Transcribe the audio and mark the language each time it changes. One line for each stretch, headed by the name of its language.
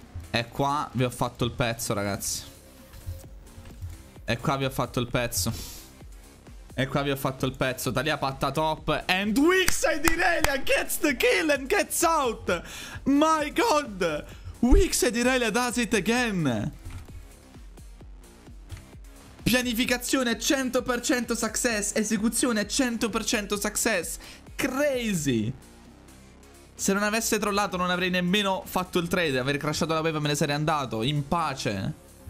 Italian: E qua vi ho fatto il pezzo, ragazzi. E qua vi ho fatto il pezzo. E qua vi ho fatto il pezzo. Talia patta top.
English: And Weakside Irelia gets the kill and gets out. My god. Weakside Irelia does it again.
Italian: Pianificazione 100% success. Esecuzione 100% success. Crazy. Se non avesse trollato non avrei nemmeno fatto il trade. Avrei crashato la wave e me ne sarei andato. In pace.